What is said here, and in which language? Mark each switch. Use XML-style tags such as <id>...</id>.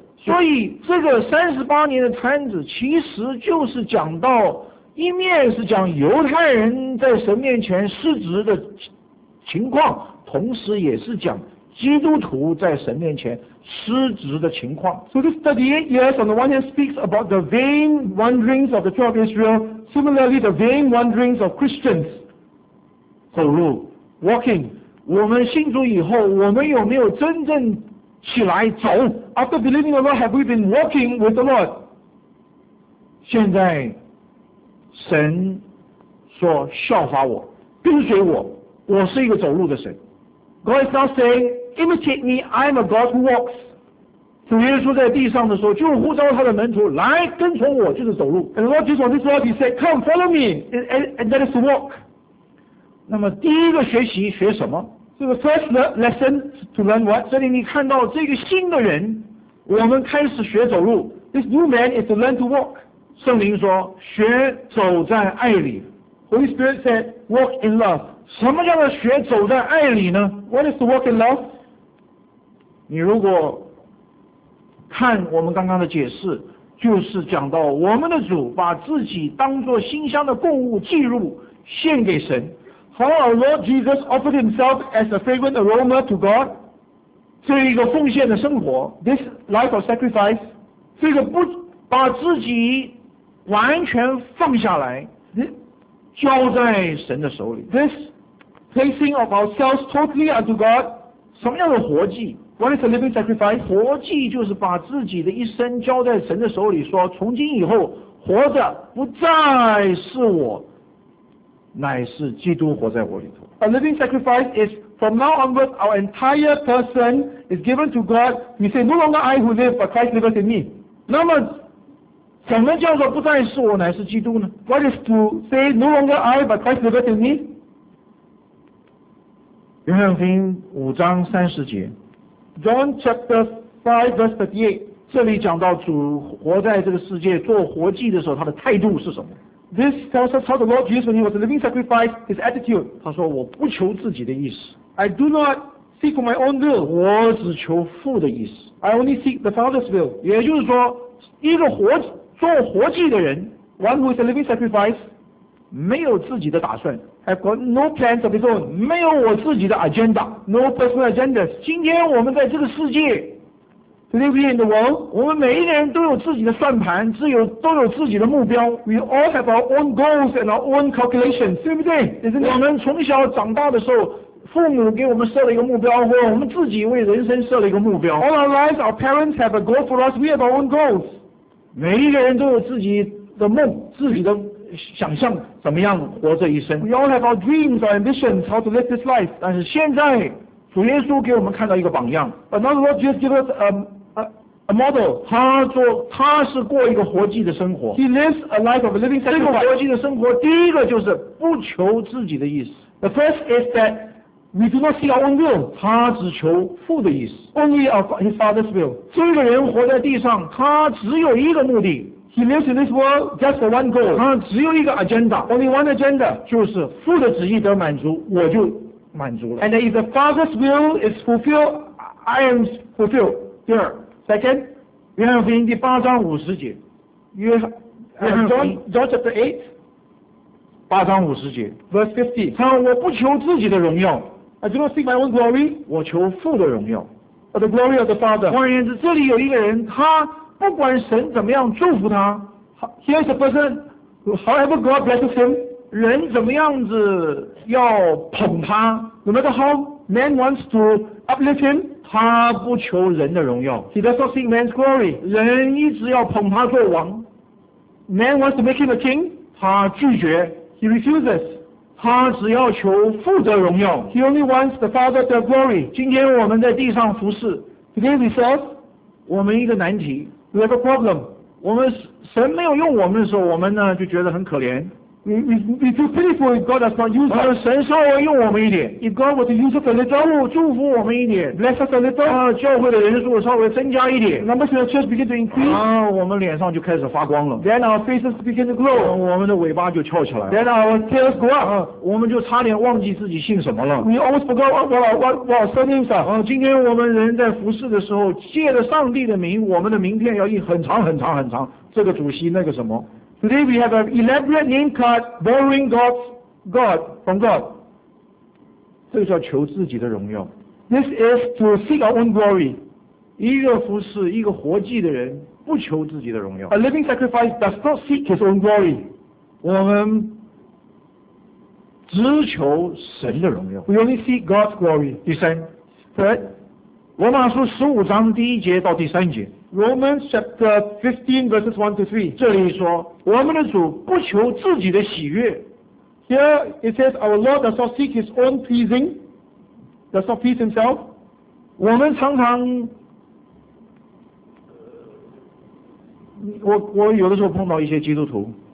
<zh>所以这个38年的摊子，其实就是讲到一面是讲犹太人在神面前失职的情况，同时也是讲基督徒在神面前失职的情况。</zh> <en>So this 38 years on the one hand speaks about the vain wanderings of the tribe of Israel, similarly the vain wanderings of Christians.</en> <zh>走路</zh> <en>walking.</en> <zh>我们信主以后，我们有没有真正起来走？</zh> <en>After believing the Lord, have we been walking with the Lord?</en> <zh>现在神说效法我，跟随我，我是一个走路的神。</zh> <en>God is now saying, imitate me, I am a God who walks.</en> <zh>主耶稣在地上的时候就呼召他的门徒来跟从我，就是走路。</zh> <en>And the Lord Jesus on this earth, he said, come, follow me, and that is to walk.</en> <zh>那么第一个学习学什么？</zh> <en>So the first lesson to learn what?</en> <zh>这里你看到这个新的人，我们开始学走路。</zh> <en>This new man is to learn to walk.</en> <zh>圣灵说，学走在爱里。</zh> <en>Holy Spirit said, walk in love.</en> <zh>什么叫做学走在爱里呢？</zh> <en>What is to walk in love?</en> <zh>你如果看我们刚刚的解释，就是讲到我们的主把自己当作馨香的供物祭入献给神。</zh> <en>How our Lord Jesus offered himself as a fragrant aroma to God?</en> <zh>这一个奉献的生活，</zh> <en>This life of sacrifice,</en> <zh>这个不把自己完全放下来交在神的手里。</zh> <en>This placing of ourselves totally unto God.</en> <zh>什么叫做活祭？</zh> <en>What is a living sacrifice?</en> <zh>活祭就是把自己的一生交在神的手里，说从今以后活着不再是我，乃是基督活在我里头。</zh> <en>A living sacrifice is from now onward our entire person is given to God. We say no longer I who live but Christ lives in me.</en> <zh>那么怎么叫做不再是我乃是基督呢？</zh> <en>What is to say no longer I but Christ lives in me?</en> <zh>约翰福音五章三十节，</zh> <en>John chapter 5 verse 38，</en> <zh>这里讲到主活在这个世界做活祭的时候他的态度是什么。</zh> <en>This tells us how the Lord Jesus when he was a living sacrifice his attitude.</en> <zh>他说我不求自己的意思，</zh> <en>I do not seek for my own will.</en> <zh>我只求父的意思，</zh> <en>I only seek the Father's will.</en> <zh>也就是说一个活祭做活祭的人，</zh> <en>one who is a living sacrifice，</en> <zh>没有自己的打算，</zh> <en>have got no plans of his own，</en> <zh>没有我自己的 agenda，</zh> <en>no personal agendas。</en> <zh>今天我们在这个世界，</zh> <en>today we are in the world，</en> <zh>我们每一个人都有自己的算盘，都有自己的目标。</zh> <en>We all have our own goals and our own calculations，</en> <zh>对不对？</zh> <en>Isn't it?</en> <zh>我们从小长大的时候父母给我们设了一个目标，或我们自己为人生设了一个目标。</zh> <en>All our lives our parents have a goal for us， we have our own goals。</en> <zh>每一个人都有自己的梦，自己的想象，怎么样活这一生。</zh> <en>We all have our dreams, our ambitions, how to live this life.</en> <zh>但是现在，主耶稣给我们看到一个榜样。</zh> <en>But now the Lord Jesus gives us a model.</en> <zh>他是过一个活祭的生活。</zh> <en>He lives a life of a living sacrifice.</en> <zh>这个活祭的生活，第一个就是不求自己的意思。</zh> <en>The first is that we do not see our own will.</en> <zh>他只求父的意思。</zh> <en>Only of his father's will.</en> <zh>这个人活在地上，他只有一个目的。</zh> <en>He lives in this world just for one goal.</en> <zh>他只有一个 agenda.</zh> <en>Only one agenda.</en> <zh>就是父的旨意得满足，我就满足了。</zh> <en>And if the father's will is fulfilled, I am fulfilled.</en> <zh>第二</zh> <en>，Second,</en> <zh>约翰福音第八章五十节。</zh> <en>John chapter 8,</en> <zh>八章五十节</zh> <en>，verse 50.</en> <zh>他说：“我不求自己的荣耀。”</zh> <en>I do not seek my own glory.</en> <zh>我求父的荣耀。</zh> <en>But the glory of the Father.</en> <zh>换言之，这里有一个人，他不管神怎么样祝福他，</zh> <en>Here is a person, however God blesses him,</en> <zh>人怎么样子要捧他，</zh> <en>No matter how man wants to uplift him,</en> <zh>他不求人的荣耀。</zh> <en>He does not seek man's glory.</en> <zh>人一直要捧他做王，</zh> <en>Man wants to make him a king.</en> <zh>他拒绝。</zh> <en>He refuses.</en> <zh>他只要求父的荣耀。</zh> <en>He only wants the Father's glory.</en> <zh>今天我们在地上服事。</zh> <en>Today we serve.</en> <zh>我们一个难题。</zh> <en>We have a problem.</en> <zh>我们神没有用我们的时候，我们呢就觉得很可怜。</zh> <en>We feel pity for if God does not use us.</en> <zh>神稍微用我们一点。</zh> <en>If God would use us a little.</en> <zh>稍微祝福我们一点。</zh> <en>Bless us a little.</en> <zh>教会的人数稍微增加一点。</zh> <en>Numbers of the church begin to increase.</en> <zh>我们脸上就开始发光了。</zh> <en>Then our faces begin to glow.</en> <zh>我们的尾巴就翘起来。</zh> <en>Then our tails go up.</en> <zh>我们就差点忘记自己姓什么了。</zh> <en>We almost forgot what our surnames are.</en> <zh>今天我们人在服侍的时候，借着上帝的名，我们的名片要印很长很长很长。这个主席，那个什么。</zh> <en>Today we have an elaborate name card borrowing God from God.</en> <zh>这叫求自己的荣耀。</zh> <en>This is to seek our own glory.</en> <zh>一个服侍，一个活祭的人，不求自己的荣耀。</zh> <en>A living sacrifice does not seek his own glory.</en> <zh>我们只求神的荣耀。</zh> <en>We only seek God's glory.</en> <zh>第三。</zh> <en>Third.</en> <zh>罗马书十五章第一节到第三节。</zh> <en>Romans chapter 15 verses 1-3.</en> <zh>这里说我们的主不求自己的喜悦。</zh> <en>Here it says our Lord does not seek his own pleasing, does not please himself.</en> <zh>我们常常我有的时候碰到一些基督徒。</zh>